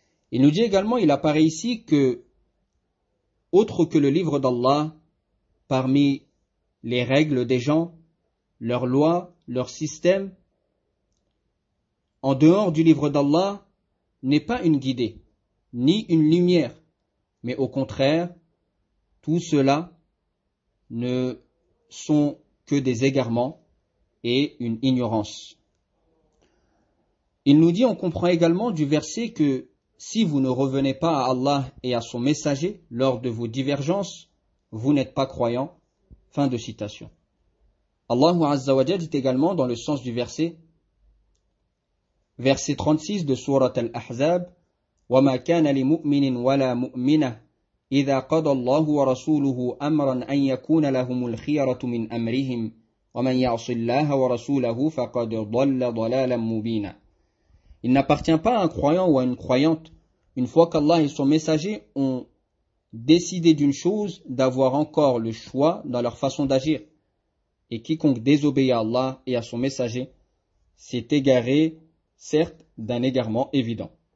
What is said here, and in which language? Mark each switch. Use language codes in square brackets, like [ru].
[fr] Il nous dit également, il apparaît ici que, autre que le livre d'Allah, parmi les règles des gens, leurs lois, leurs systèmes, en dehors du livre d'Allah, n'est pas une guidée, ni une lumière, mais au contraire, tout cela ne sont que des égarements et une ignorance. Il nous dit, on comprend également du verset que si vous ne revenez pas à Allah et à son messager lors de vos divergences, vous n'êtes pas croyant. Fin de citation. Allahu Azza wa Jalla dit également dans le sens du verset 36 de sourate Al-Ahzab, [ar] وَمَا كَانَ لِمُؤْمِنٍ وَلَا مُؤْمِنَةٍ إِذَا قَضَى اللَّهُ وَرَسُولُهُ أَمْرًا أَنْ يَكُونَ لَهُمُ الْخِيَرَةُ مِنْ أَمْرِهِمْ وَمَنْ يَعْصِ اللَّهَ وَرَسُولَهُ فَقَدْ ضَلَّ ضَلَالًا مُبِينًا. [fr] Il n'appartient pas à un croyant ou à une croyante, une fois qu'Allah et son messager ont décidé d'une chose, d'avoir encore le choix dans leur façon d'agir. Et quiconque désobéit à Allah et à son messager s'est égaré, certes, d'un égarement évident.